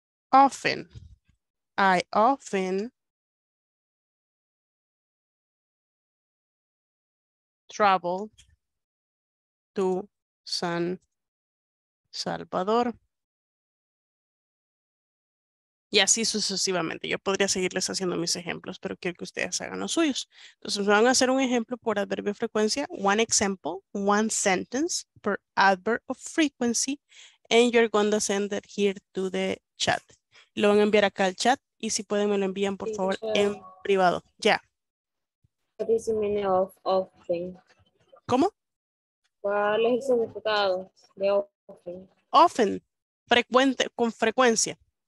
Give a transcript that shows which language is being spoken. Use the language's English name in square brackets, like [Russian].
[English] Often. I often travel to San Salvador. [Spanish] Y así sucesivamente. Yo podría seguirles haciendo mis ejemplos, pero quiero que ustedes hagan los suyos. Entonces, me van a hacer un ejemplo por adverbio de frecuencia. [English] One example, one sentence per adverb of frequency. And you're going to send it here to the chat. [Spanish] Lo van a enviar acá al chat. Y si pueden, me lo envían, por favor, en privado. Ya. Yeah. [English] What is the meaning of often? [Spanish] ¿Cómo? ¿Cuál es el significado de often? Often, frecuente, con frecuencia.